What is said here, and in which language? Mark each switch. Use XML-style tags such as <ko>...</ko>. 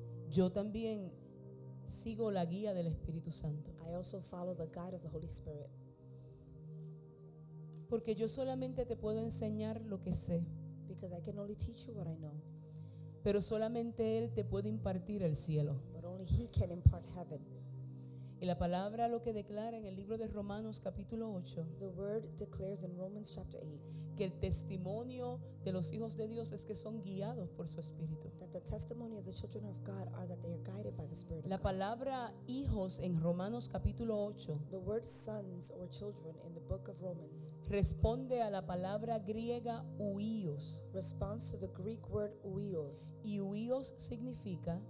<es>Yo también sigo la guía del Espíritu Santo.</es> <en>I also follow the guide of the Holy Spirit.</en> <es>Porque yo solamente te puedo enseñar lo que sé.</es> <en>Because I can only teach you what I know.</en> <es>Pero solamente Él te puede impartir el cielo.</es> <en>But only He can impart heaven.</en> <es>Y la palabra lo que declara en el libro de Romanos capítulo 8.</es> <en>The word declares in Romans chapter 8.</en> <es>Que el testimonio de los hijos de Dios es que son guiados por su Espíritu.</es> <en>That the testimony of the children of God are that they are guided by the Spirit of God.</en> <es>La palabra hijos en Romanos capítulo 8.</es> <en>The word sons or children in the book of Romans.</en> <es>Responde a la palabra griega huios.</es> <en>Responds to the Greek word huios.</en> <es>Y huios significa.</es>